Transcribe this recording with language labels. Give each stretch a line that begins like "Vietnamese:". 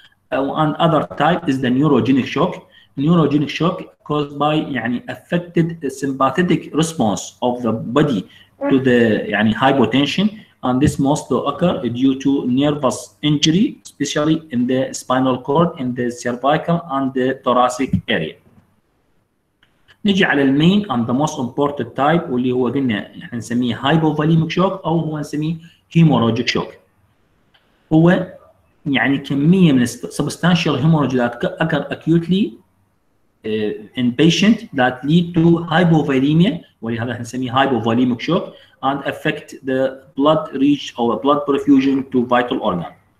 English: And other type is the neurogenic shock. Neurogenic shock caused by
Arabic: يعني
English: affected sympathetic response of the body to the يعني hypotension, and this mostly occur due to nervous injury, especially in the spinal cord, in the cervical and the thoracic area.
Arabic: نجي على المين
English: and the most important type
Arabic: واللي هو قلنا نسميه
English: hypovolemic shock
Arabic: او هو نسميه
English: hemorrhagic shock.
Arabic: هو يعني كميه من
English: substantial hemorrhage that occur acutely in patient that lead to hypovolemia
Arabic: ولهذا نسميه
English: hypovolemic shock and affect the blood reach or blood perfusion to vital organ.